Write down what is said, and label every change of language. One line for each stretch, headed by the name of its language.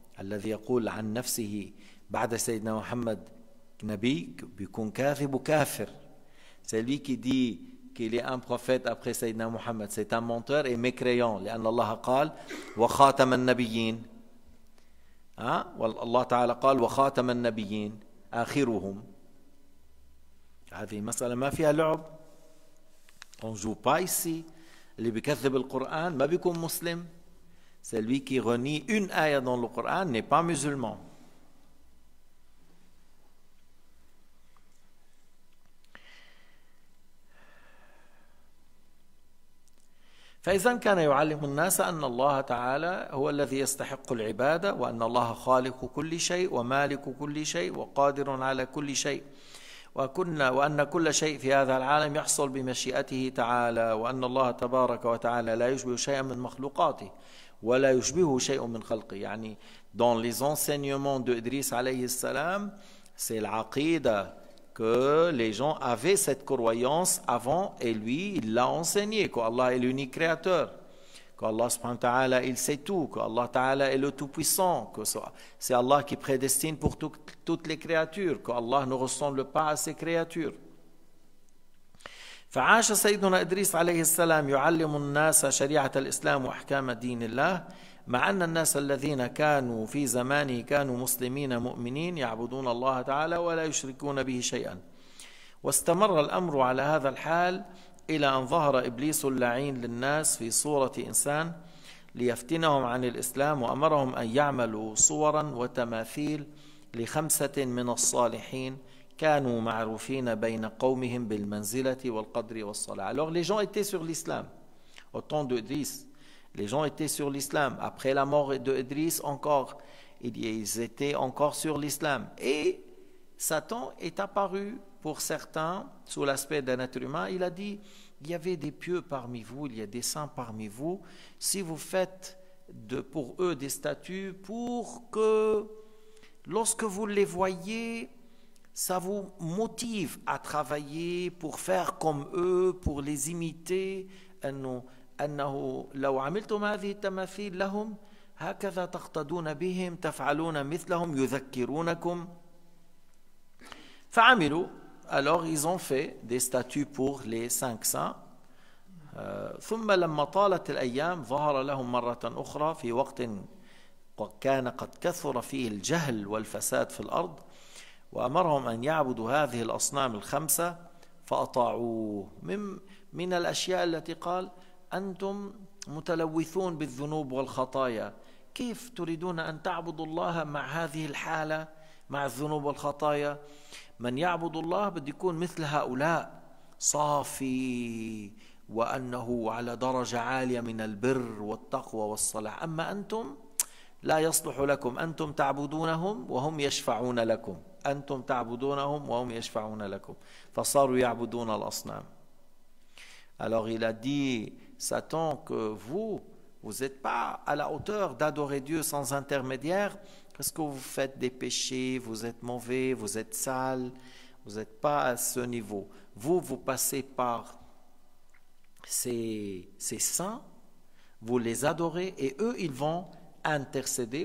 Arabic: Alladhi yaqul an nafsihi, بعد سيدنا محمد نبي بيكون كاذب وكافر.
French: C'est lui qui dit qu'il est un prophète après سيدنا محمد. C'est un menteur et mécréant.
Arabic: لأن الله قال وخاتم النبيين. والله تعالى قال وخاتم النبيين آخرهم. هذه مسألة ما فيها لعب.
French: On joue pas ici.
Arabic: اللي بيكذب القرآن ما بيكون مسلم.
French: C'est lui qui renie une آية dans le Coran n'est pas musulman.
Arabic: فإذا كان يعلم الناس أن الله تعالى هو الذي يستحق العبادة وأن الله خالق كل شيء ومالك كل شيء وقادر على كل شيء وأن كل شيء في هذا العالم يحصل بمشيئته تعالى وأن الله تبارك وتعالى لا يشبه شيئا من مخلوقاته ولا يشبه شيء من خلقه.
French: يعني dans les enseignements de Idris عليه السلام c'est العقيدة que les gens avaient cette croyance avant et lui il l'a enseigné que Allah est l'unique créateur, que Allah subhanahu wa ta'ala il sait tout, que Allah ta'ala est le tout puissant, que c'est Allah qui prédestine pour toutes les créatures, que Allah ne ressemble pas à ses créatures.
Arabic: فعاش سيدنا إدريس عليه السلام يعلم الناس شريعة الإسلام وأحكام دين الله مع أن الناس الذين كانوا في زمانه كانوا مسلمين مؤمنين يعبدون الله تعالى ولا يشركون به شيئا واستمر الأمر على هذا الحال إلى أن ظهر إبليس اللعين للناس في صورة إنسان ليفتنهم عن الإسلام وأمرهم أن يعملوا صورا وتماثيل لخمسة من الصالحين كانوا معروفين بين قومهم بالمنزلة والقدر والصلاة.
French: Alors les gens étaient sur l'islam au temps de Idris. Les gens étaient sur l'islam. Après la mort de Idris, encore, ils étaient encore sur l'islam. Et Satan est apparu pour certains sous l'aspect d'un être humain. Il a dit, il y avait des pieux parmi vous, il y a des saints parmi vous. Si vous faites pour eux des statues pour que lorsque vous les voyez, ça vous motive à travailler pour faire comme eux, pour les imiter.
Arabic: أنه لو عملتم هذه التماثيل لهم هكذا تقتدون بهم تفعلون مثلهم يذكرونكم. فعملوا.
French: Alors ils ont fait des statues pour les cinq saints.
Arabic: ثم لما طالت الأيام ظهر لهم مرة أخرى في وقت كان قد كثر فيه الجهل والفساد في الأرض وأمرهم أن يعبدوا هذه الأصنام الخمسة فأطاعوه. من الأشياء التي قال أنتم متلوثون بالذنوب والخطايا كيف تريدون أن تعبدوا الله مع هذه الحالة مع الذنوب والخطايا. من يعبد الله بده يكون مثل هؤلاء صافي وأنه على درجة عالية من البر والتقوى والصلاح. أما أنتم لا يصلح لكم أنتم تعبدونهم وهم يشفعون لكم أنتم تعبدونهم وهم يشفعون لكم فصاروا يعبدون الأصنام.
French: Alors il a dit Satan que vous n'êtes pas à la hauteur d'adorer Dieu sans intermédiaire parce que vous faites des péchés, vous êtes mauvais, vous êtes sale, Vous n'êtes pas à ce niveau. Vous, vous passez par ces saints, vous les adorez et eux, ils vont intercéder.